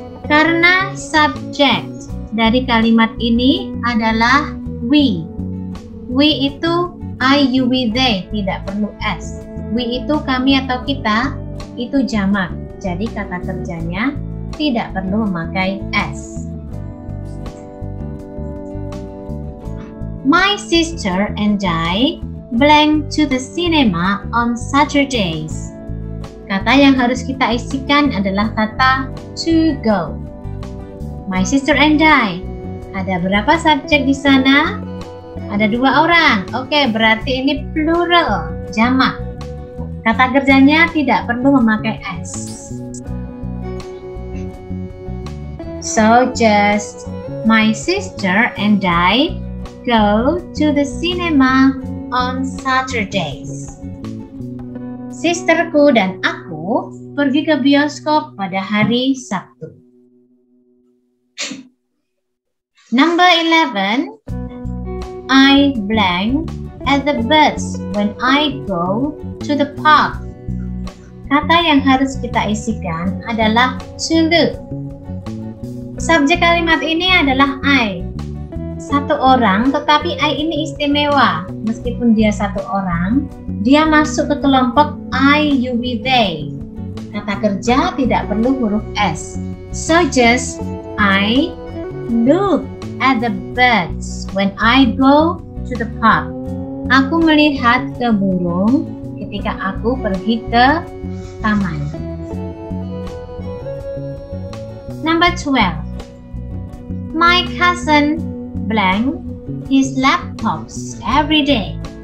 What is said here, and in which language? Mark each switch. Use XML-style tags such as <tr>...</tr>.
<id>Karena subject dari kalimat ini adalah we. We itu I, you, we, they. Tidak perlu S. We itu kami atau kita. Itu jamak. Jadi kata kerjanya tidak perlu memakai S.</id> <en>My sister and I blank to the cinema on Saturdays.</en> <id>Kata yang harus kita isikan adalah kata to go. My sister and I. Ada berapa subjek di sana? Ada dua orang. Oke, berarti ini plural, jamak. Kata kerjanya tidak perlu memakai S.</id> <en>So just my sister and I go to the cinema on Saturdays.</en> <id>Sisterku dan aku pergi ke bioskop pada hari Sabtu.</id> <en>Number 11. I blank at the bus when I go to the park.</en> <id>Kata yang harus kita isikan adalah to look. Subjek kalimat ini adalah I. Satu orang, tetapi I ini istimewa. Meskipun dia satu orang, dia masuk ke kelompok I, you, we, they. Kata kerja tidak perlu huruf S.</id> <en>So just I look at the birds when I go to the park.</en> <id>Aku melihat ke burung ketika aku pergi ke taman.</id> <en>Number 12. My cousin blank his laptops every day.</en>